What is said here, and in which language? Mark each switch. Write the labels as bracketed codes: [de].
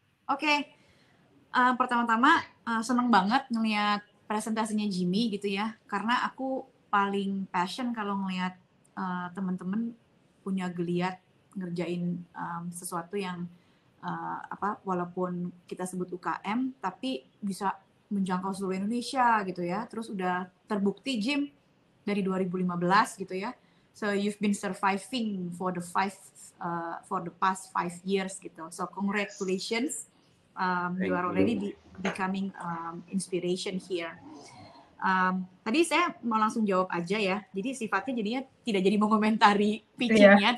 [id] Oke, okay. Pertama-tama seneng banget ngelihat presentasinya Jimmy gitu ya, karena aku paling passion kalau ngelihat teman-teman punya geliat ngerjain sesuatu yang walaupun kita sebut UKM, tapi bisa menjangkau seluruh Indonesia gitu ya. Terus udah terbukti Jim dari 2015 gitu ya. [en] So you've been surviving for the past 5 years [id] gitu. [en] So congratulations, you are already becoming inspiration here. [id] Tadi saya mau langsung jawab aja ya. Jadi sifatnya jadinya tidak jadi mengomentari pitchingnya, yeah.